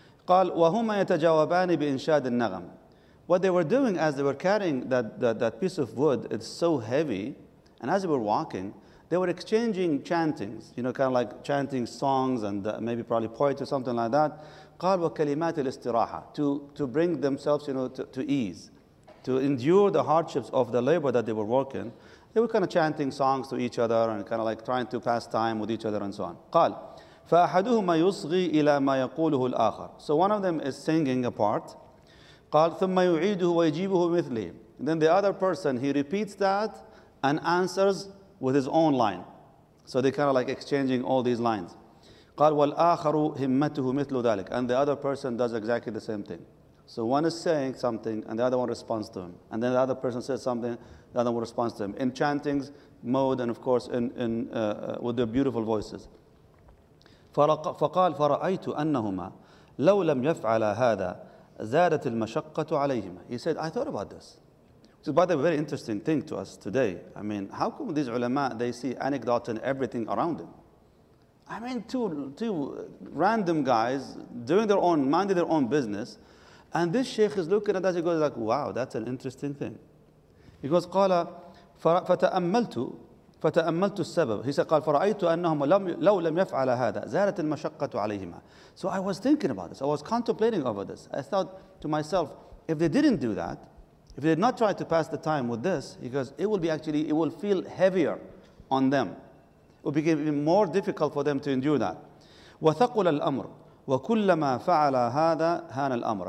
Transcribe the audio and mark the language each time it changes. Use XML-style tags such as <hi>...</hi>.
<ar>قال وهما يتجاوبان بإنشاد النغم.</ar> <en>What they were doing as they were carrying that piece of wood, it's so heavy, and as they were walking, they were exchanging chantings, you know, kind of like chanting songs and maybe probably poetry or something like that.</en> <ar>قال وكلمات الاستراحة</ar> <en>to bring themselves, you know, to ease, to endure the hardships of the labor that they were working. They were kind of chanting songs to each other and kind of like trying to pass time with each other and so on.</en> <ar>قال فأحدهما يصغي إلى ما يقوله الآخر.</ar> <en>So one of them is singing a part.</en> <ar>قال ثم يعيده ويجيبه مثله.</ar> <en>Then the other person, he repeats that and answers with his own line. So they kind of like exchanging all these lines.</en> <ar>قال والآخر همته مثل ذلك.</ar> <en>And the other person does exactly the same thing. So one is saying something and the other one responds to him. And then the other person says something, the other one responds to him. In chanting mode and of course in with their beautiful voices.</en> <ar>فقال فرأيت أنهما لو لم يفعل هذا زادت المشقة عليهما.</ar> <en>He said, I thought about this. So by the way, very interesting thing to us today. I mean, how come these ulama, they see anecdotes and everything around them? I mean, two random guys doing their own, minding their own business. And this sheikh is looking at that, he goes like, wow, that's an interesting thing. He goes,</en> <ar>قال فتأملت السبب.</ar> <en>He said,</en> <ar>قال فرأيت أنهم لو لم يفعل هذا زالت المشقة عليهما.</ar> <en>So I was thinking about this. I was contemplating over this. I thought to myself, if they didn't do that, if they did not try to pass the time with this, he goes, it will feel heavier on them. It would become even more difficult for them to endure that.</en> <ar>وَثَقُلَ الْأَمْرُ وَكُلَّمَا فَعَلَ هَذَا هَانَ الْأَمْرُ.</ar>